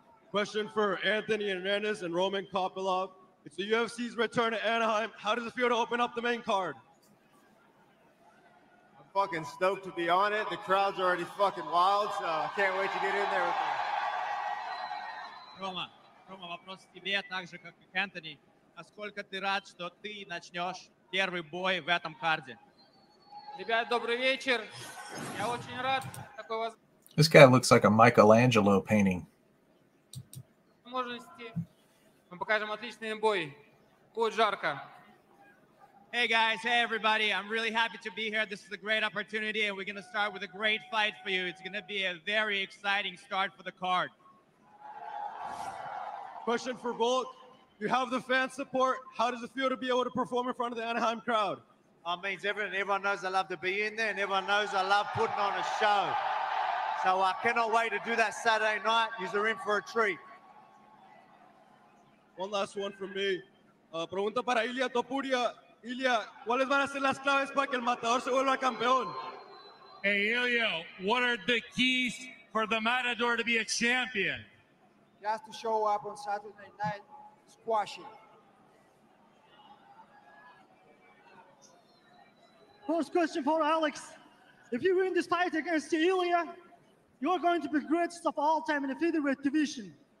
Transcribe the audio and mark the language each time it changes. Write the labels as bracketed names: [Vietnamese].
[English] Question for Anthony Hernandez and Roman Kopylov. It's the UFC's return to Anaheim. How does it feel to open up the main card? I'm fucking stoked to be on it. The crowd's already fucking wild, so I can't wait to get in there with them. [Russian] Roma, Roma, вопрос тебе так же как и Anthony. Насколько ты рад, что ты начнешь первый бой в этом карде? Ребят, добрый вечер. Я очень рад. [English] This guy looks like a Michelangelo painting. [Russian] Мы покажем отличный бой. Будет жарко. [English] Hey guys, hey everybody. I'm really happy to be here. This is a great opportunity and we're going to start with a great fight for you. It's going to be a very exciting start for the card. Question for Volk. You have the fan support. How does it feel to be able to perform in front of the Anaheim crowd? I mean, everyone knows I love to be in there and everyone knows I love putting on a show. So I cannot wait to do that Saturday night. Yous are in for a treat. One last one from me. [Spanish] Pregunta para [English] Ilya Topuria. [Spanish] Ilya, ¿cuáles van a ser las claves para que el matador se vuelva campeón? [English] Hey, Ilya, what are the keys for the matador to be a champion? He has to show up on Saturday night, squash it. First question for Alex. If you win this fight against Ilya, you're going to be greatest of all time in the featherweight division.